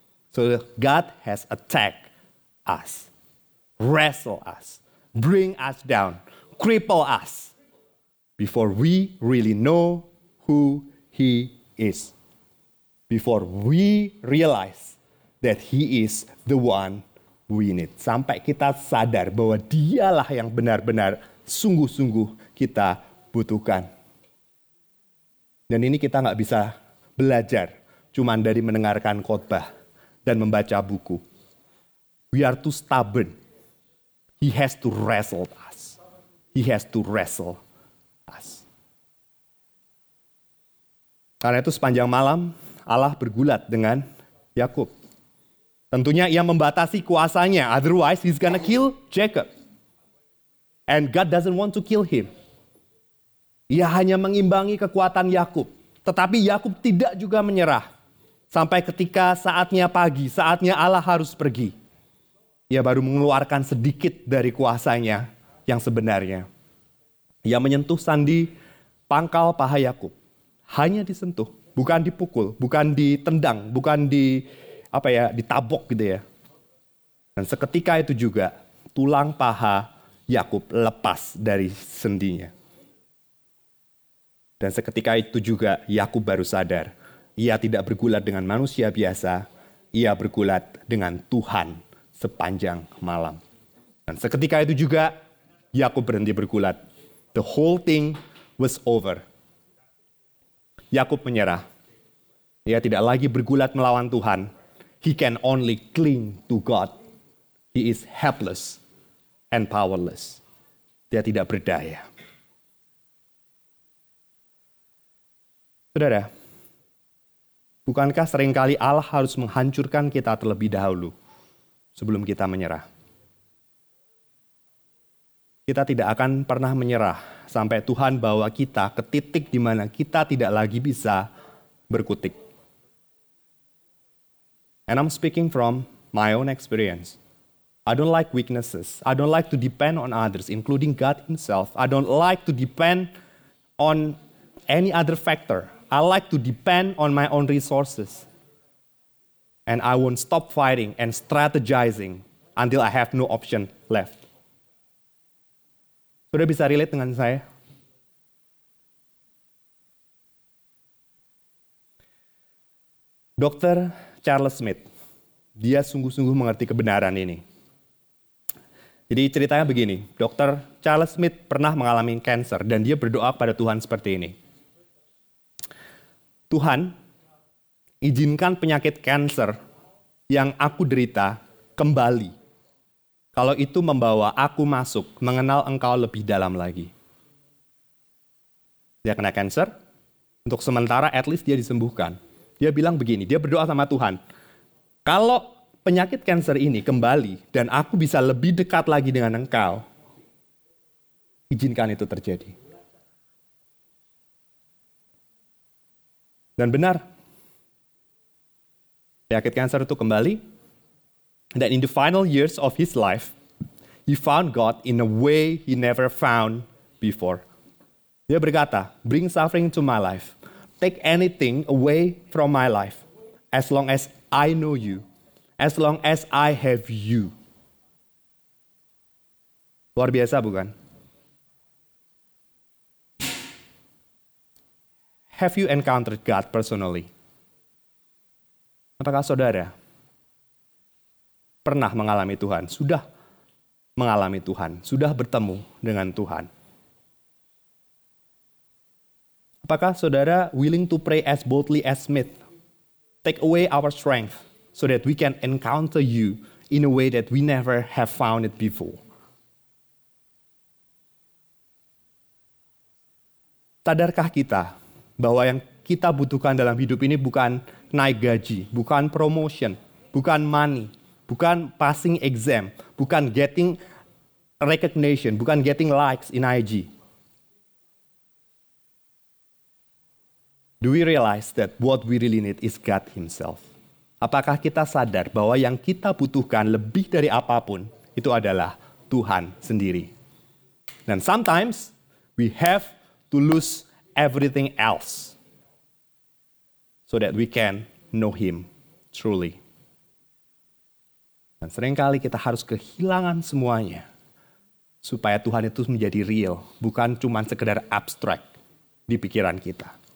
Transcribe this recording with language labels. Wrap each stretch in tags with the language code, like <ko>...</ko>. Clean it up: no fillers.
<en>So God has attacked us, wrestle us, bring us down, cripple us, before we really know who he is. Before we realize that he is the one we need.</en> <id>Sampai kita sadar bahwa dialah yang benar-benar sungguh-sungguh kita butuhkan. Dan ini kita gak bisa belajar cuma dari mendengarkan khotbah dan membaca buku.</id> <en>We are too stubborn. He has to wrestle us. He has to wrestle us.</en> <id>Karena itu sepanjang malam, Allah bergulat dengan Yakub. Tentunya ia membatasi kuasanya.</id> <en>Otherwise, he's gonna kill Jacob. And God doesn't want to kill him.</en> <id>Ia hanya mengimbangi kekuatan Yakub. Tetapi Yakub tidak juga menyerah. Sampai ketika saatnya pagi, saatnya Allah harus pergi. Ia baru mengeluarkan sedikit dari kuasanya yang sebenarnya. Ia menyentuh sandi pangkal paha Yakub. Hanya disentuh. Bukan dipukul, bukan ditendang, bukan ditabok gitu ya. Dan seketika itu juga tulang paha Yakub lepas dari sendinya. Dan seketika itu juga Yakub baru sadar, ia tidak bergulat dengan manusia biasa, ia bergulat dengan Tuhan sepanjang malam. Dan seketika itu juga Yakub berhenti bergulat.</id> <en>The whole thing was over.</en> <id>Yakub menyerah. Ia tidak lagi bergulat melawan Tuhan.</id> <en>He can only cling to God. He is helpless and powerless.</en> <id>Dia tidak berdaya. Saudara, bukankah seringkali Allah harus menghancurkan kita terlebih dahulu sebelum kita menyerah? Kita tidak akan pernah menyerah sampai Tuhan bawa kita ke titik di mana kita tidak lagi bisa berkutik.</id> <en>And I'm speaking from my own experience. I don't like weaknesses. I don't like to depend on others, including God himself. I don't like to depend on any other factor. I like to depend on my own resources. And I won't stop fighting and strategizing until I have no option left.</en> <id>Sudah bisa relate dengan saya? Dr. Charles Smith, dia sungguh-sungguh mengerti kebenaran ini. Jadi ceritanya begini, Dr. Charles Smith pernah mengalami kanker dan dia berdoa kepada Tuhan seperti ini. Tuhan, izinkan penyakit kanker yang aku derita kembali. Kalau itu membawa aku masuk, mengenal engkau lebih dalam lagi. Dia kena kanker, untuk sementara</id> <en>at least</en> <id>dia disembuhkan. Dia bilang begini, dia berdoa sama Tuhan, kalau penyakit kanker ini kembali dan aku bisa lebih dekat lagi dengan engkau, izinkan itu terjadi. Dan benar, penyakit kanker itu kembali.</id> <en>Dan in the final years of his life, he found God in a way he never found before.</en> <id>Dia berkata,</id> <en>bring suffering to my life. Take anything away from my life. As long as I know you. As long as I have you.</en> <id>Luar biasa bukan?</id> <en>Have you encountered God personally?</en> <id>Apakah saudara pernah mengalami Tuhan? Sudah mengalami Tuhan? Sudah bertemu dengan Tuhan? Apakah saudara</id> <en>willing to pray as boldly as Smith? Take away our strength so that we can encounter you in a way that we never have found it before.</en> <id>Sadarkah kita bahwa yang kita butuhkan dalam hidup ini bukan naik gaji, bukan promotion, bukan money, bukan</id> <en>passing exam,</en> <id>bukan</id> <en>getting recognition,</en> <id>bukan</id> <en>getting likes in IG. Do we realize that what we really need is God Himself?</en> <id>Apakah kita sadar bahwa yang kita butuhkan lebih dari apapun itu adalah Tuhan sendiri?</id> <en>And sometimes we have to lose everything else so that we can know Him truly.</en> <id>Dan seringkali kita harus kehilangan semuanya supaya Tuhan itu menjadi real, bukan cuma sekedar abstrak di pikiran kita.</id>